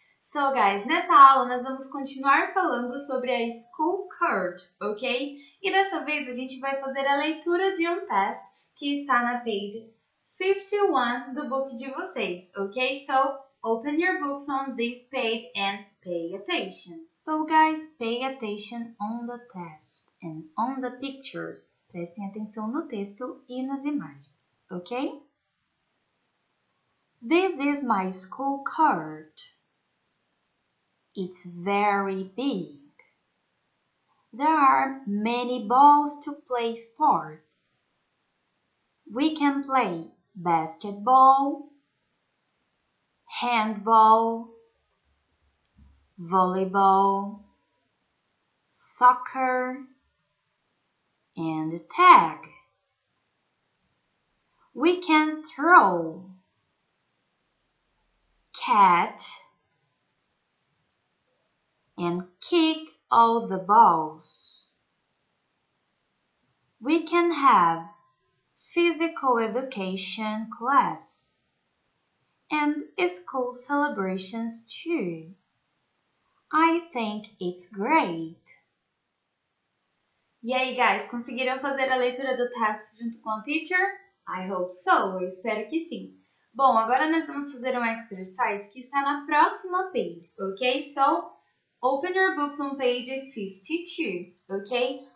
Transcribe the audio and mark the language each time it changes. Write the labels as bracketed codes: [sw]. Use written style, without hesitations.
[en] So, guys, [pt] nessa aula nós vamos continuar falando sobre a school card, ok? E dessa vez a gente vai fazer a leitura de um teste que está na page 51 do book de vocês, ok? [en] So, open your books on this page and pay attention. So, guys, pay attention on the test and on the pictures. [pt] Prestem atenção no texto e nas imagens, ok? [en] This is my school card. It's very big. There are many balls to play sports. We can play basketball, handball, volleyball, soccer, and tag. We can throw, catch, and kick all the balls. We can have physical education class and school celebrations too. I think it's great. [pt] E aí, guys, conseguiram fazer a leitura do teste junto com a teacher? [en] I hope so. [pt] Eu espero que sim. Bom, agora nós vamos fazer um exercise que está na próxima page, ok? [en] So, open your books on page 52, ok?